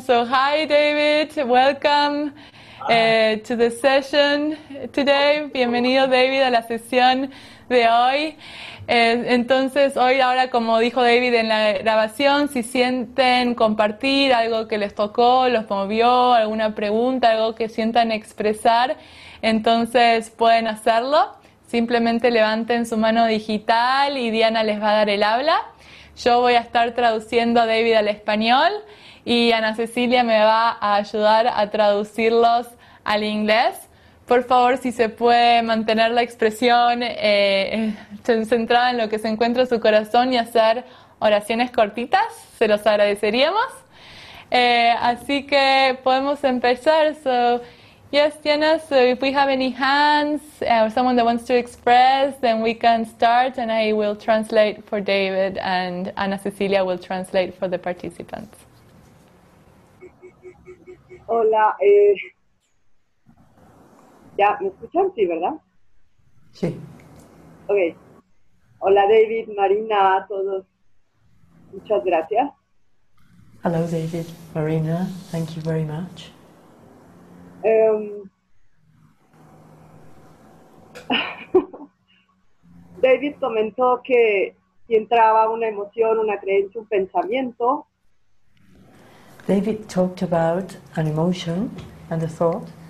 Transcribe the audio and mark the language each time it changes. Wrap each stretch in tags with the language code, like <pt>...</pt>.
<en>So, hi David, welcome to the session today.</en> <es>Bienvenido David a la sesión de hoy. Entonces, hoy ahora, como dijo David en la grabación, si sienten compartir algo que les tocó, los movió, alguna pregunta, algo que sientan expresar, entonces pueden hacerlo. Simplemente levanten su mano digital y Diana les va a dar el habla. Yo voy a estar traduciendo a David al español y Ana Cecilia me va a ayudar a traducirlos al inglés. Por favor, si se puede mantener la expresión centrada en lo que se encuentra en su corazón y hacer oraciones cortitas, se los agradeceríamos. Así que podemos empezar.</es> <en>So, yes, Diana, so if we have any hands or someone that wants to express, then we can start and I will translate for David and Ana Cecilia will translate for the participants.</en> <es>Hola. ¿Ya me escuchan? Sí, ¿verdad? Sí. Okay. Hola, David, Marina, a todos. Muchas gracias.</es> <en>Hello, David, Marina. Thank you very much.</en> <es>David comentó que si entraba una emoción, una creencia, un pensamiento.</es> <en>David talked about an emotion and a thought.</en>